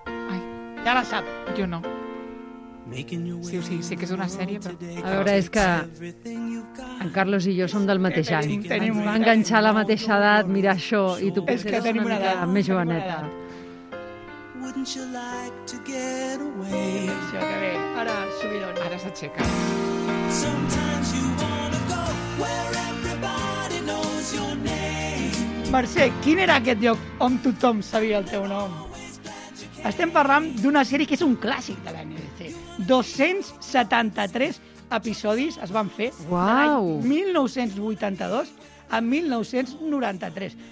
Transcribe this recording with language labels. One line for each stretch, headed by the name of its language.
Catalan: Ai. Ja la sap. Jo no. Sí, sí, sí que és una sèrie, però... A veure, és que en Carlos i jo som del mateix any. Enganxar la mateixa edat, mirar això, i tu potser ets una mica edat, més joveneta.
English: Wouldn't you like to get away?
Catalan: Això que bé. Ara, subidon. Ara s'aixeca.
English: Sometimes you wanna go where everybody knows your name.
Catalan: Mercè, quin era aquest lloc on tothom sabia el teu nom? Estem parlant d'una sèrie que és un clàssic de la NBC. 273 episodis es van fer. Wow. De l'any 1982 a 1993.